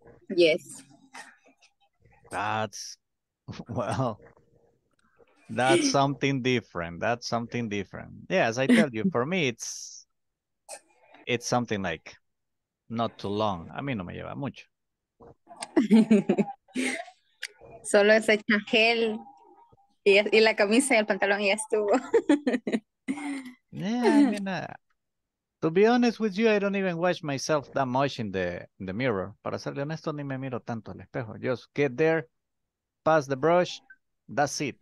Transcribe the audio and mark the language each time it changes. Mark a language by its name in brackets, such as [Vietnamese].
[English] Yes. That's something different. That's something different. Yeah, as I tell you, for me, it's something like not too long. [Spanish] A mí no me lleva mucho. Solo es echar gel y la camisa y el pantalón y ya estuvo. [English] Yeah, I mean, to be honest with you, I don't even watch myself that much in the mirror. [Spanish] Para serle honesto, ni me miro tanto al espejo. [English] Just get there, pass the brush, that's it.